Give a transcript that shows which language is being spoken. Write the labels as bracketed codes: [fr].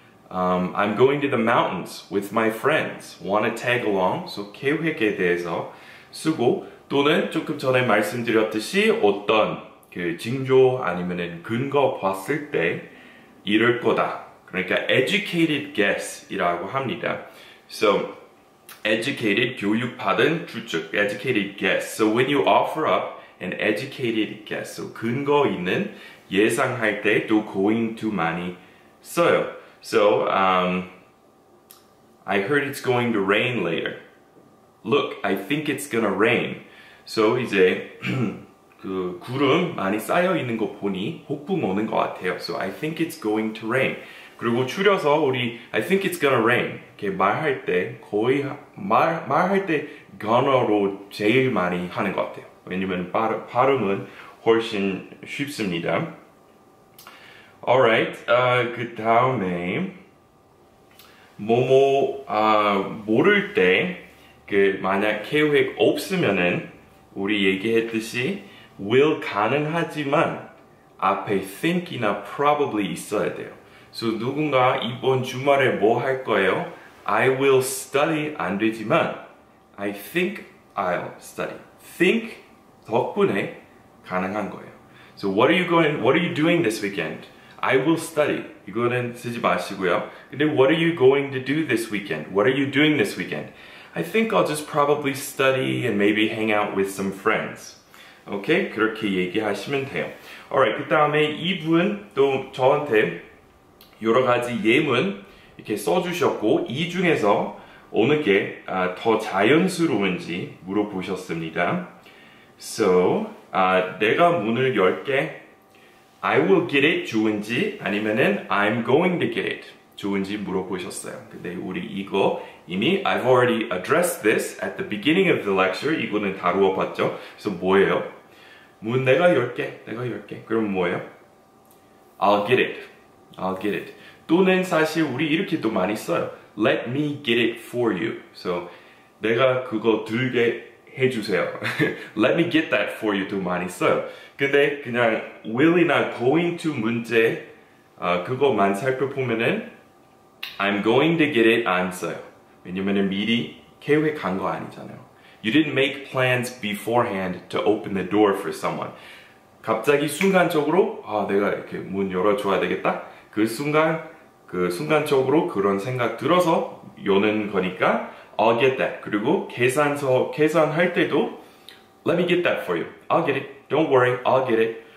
[en] I'm going to the mountains with my friends. Wanna tag along? [ko] So 계획에 대해서 쓰고 또는 조금 전에 말씀드렸듯이 어떤 그 징조 아니면은 근거 봤을 때 이럴 거다. 그러니까 educated guess이라고 합니다. So educated 교육받은 추측, educated guess. [en] So when you offer up an educated guess, so [ko] 근거 있는 예상할 때 또 going to 많이 써요. [en] So I heard it's going to rain later. Look, I think it's gonna rain. [ko] So 이제 그 구름 많이 쌓여 있는 거 보니 폭풍 오는 것 같아요. [en] So I think it's going to rain. [ko] 그리고 줄여서 우리 [en] I think it's gonna rain [ko] 이렇게 말할 때 거의 말할 때 gonna로 제일 많이 하는 것 같아요. 왜냐면 발음은 훨씬 쉽습니다. Alright, 그 다음에 뭐뭐 모를 때 그 만약 계획 없으면은 우리 얘기했듯이 will 가능하지만 앞에 think이나 probably 있어야 돼요. So 누군가 이번 주말에 뭐 할 거예요? [en] I will study [ko] 안 되지만 [en] I think I'll study. Think [ko] 덕분에 가능한 거예요. [en] So what are you going? What are you doing this weekend? I will study. [ko] 이거는 쓰지 마시고요. [en] 근데 what are you going to do this weekend? What are you doing this weekend? I think I'll just probably study and maybe hang out with some friends. Okay? [ko] 그렇게 얘기하시면 돼요. Alright, 그 다음에 이분 또 저한테 여러 가지 예문 이렇게 써주셨고 이 중에서 어느 게 더 자연스러운지 물어보셨습니다. [en] So, [ko] 내가 문을 열게 [en] I will get it [ko] 좋은지 아니면은 [en] I'm going to get it [ko] 좋은지 물어보셨어요. 근데 우리 이거 이미 [en] I've already addressed this at the beginning of the lecture. [ko] 이거는 다루어 봤죠. 그래서 뭐예요? 문 내가 열게. 내가 열게. 그럼 뭐예요? [en] I'll get it. I'll get it. [ko] 또는 사실 우리 이렇게도 많이 써요. [en] Let me get it for you. [ko] So 내가 그거 들게 해주세요. [en] Let me get that for you도 [ko] 많이 써요. 근데 그냥 [en] will이나 going to [ko] 문제 그거만 살펴보면은 [en] I'm going to get it [ko] 안 써요. 왜냐면은 미리 계획한 거 아니잖아요. [en] You didn't make plans beforehand to open the door for someone. [ko] 갑자기 순간적으로 아 내가 이렇게 문 열어줘야 되겠다. 그 순간적으로 그런 생각 들어서 여는 거니까 [en] I'll get that. [ko] 그리고 계산할 때도 [en] Let me get that for you. I'll get it. Don't worry. I'll get it.